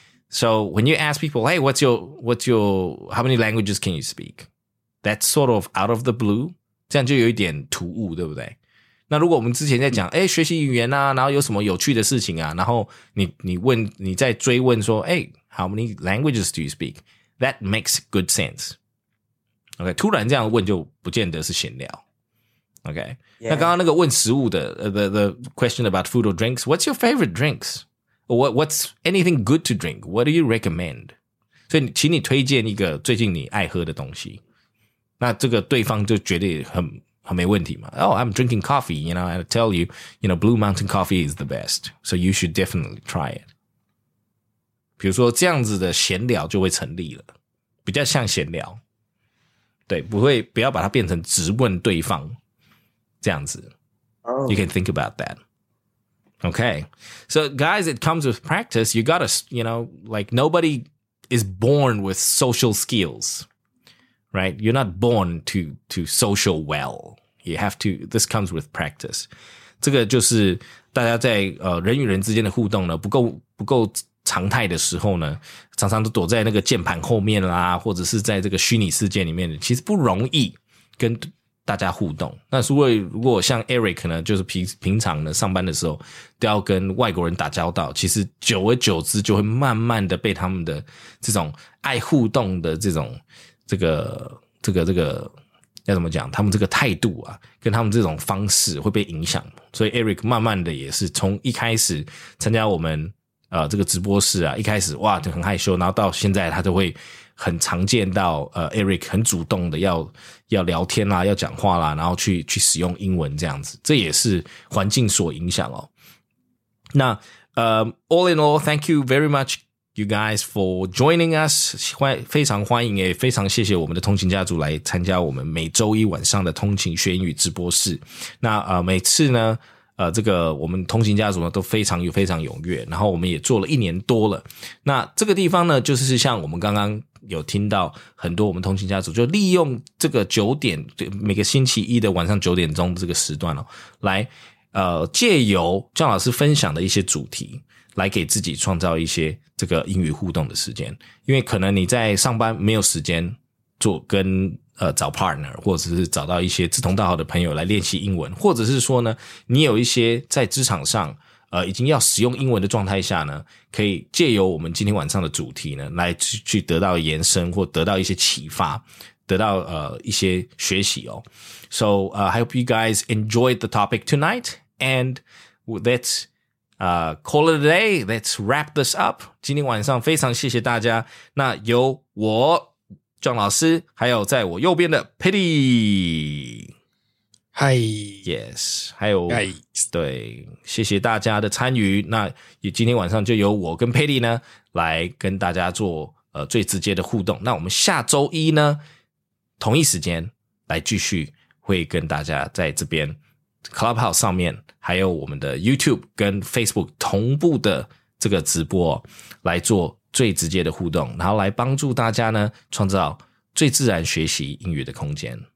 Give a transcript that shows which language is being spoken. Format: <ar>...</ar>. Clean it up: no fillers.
<en>So when you ask people, hey, what's your, how many languages can you speak? That's sort of out of the blue.</en> <zh>这样就有一点突兀，对不对？那如果我们之前在讲，哎，学习语言啊，然后有什么有趣的事情啊，然后你再追问说，哎，</zh> <en>how many languages do you speak? That makes good sense. Okay,</en> <zh>突然这样问就不见得是闲聊。</zh> <en>Okay. Yeah.</en> <zh>那刚刚那个问食物的</zh> <en>the question about food or drinks, what's your favorite drinks? Or what's anything good to drink? What do you recommend?</en> <zh>所以请你推荐一个最近你爱喝的东西。那这个对方就绝对很没问题嘛。</zh> <en>Oh, I'm drinking coffee, you know, and I tell you, you know, Blue Mountain coffee is the best. So you should definitely try it.</en> <zh>比如说这样子的闲聊就会成立了。比较像闲聊。对，不要把它变成直问对方。这样子</zh> <en>You can think about that. Okay. So guys, it comes with practice. You gotta, you know, like nobody is born with social skills, right? You're not born to social well. You have to, this comes with practice.</en> <zh>这个就是大家在人与人之间的互动呢不够常态的时候呢常常都躲在那个键盘后面啦或者是在这个虚拟世界里面其实不容易跟大家互动。那如果像 Eric 呢就是平常呢上班的时候都要跟外国人打交道其实久而久之就会慢慢的被他们的这种爱互动的这种这个要怎么讲他们这个态度啊跟他们这种方式会被影响。所以 Eric 慢慢的也是从一开始参加我们这个直播室啊一开始哇就很害羞然后到现在他都会很常见到Eric 很主动的要聊天啦要讲话啦然后去使用英文这样子。这也是环境所影响哦。</zh> <en>那all in all, thank you very much you guys for joining us.</en> <zh>非常欢迎非常谢谢我们的通勤家族来参加我们每周一晚上的通勤学英语直播室。那每次呢这个我们通勤家族呢都非常踊跃然后我们也做了一年多了。那这个地方呢就是像我们刚刚有听到很多我们通勤家族就利用这个九点每个星期一的晚上九点钟这个时段、哦、来借由姜老师分享的一些主题来给自己创造一些这个英语互动的时间。因为可能你在上班没有时间做跟找 partner, 或者是找到一些志同道合的朋友来练习英文或者是说呢你有一些在职场上已经要使用英文的状态下呢可以借由我们今天晚上的主题呢来去得到延伸或得到一些启发得到一些学习哦。</zh> <en>So, I hope you guys enjoyed the topic tonight, and let's, call it a day, let's wrap this up.</en> <zh>今天晚上非常谢谢大家。那由我John 老师还有在我右边的 Pity</zh> <en>Hi</en> <zh>Yes 还有、</zh> <en>Guys.</en> <zh>对谢谢大家的参与那也今天晚上就由我跟 Pity 呢来跟大家做最直接的互动那我们下周一呢同一时间来继续会跟大家在这边 Clubhouse 上面还有我们的 YouTube 跟 Facebook 同步的这个直播来做最直接的互动，然后来帮助大家呢，创造最自然学习英语的空间。</zh>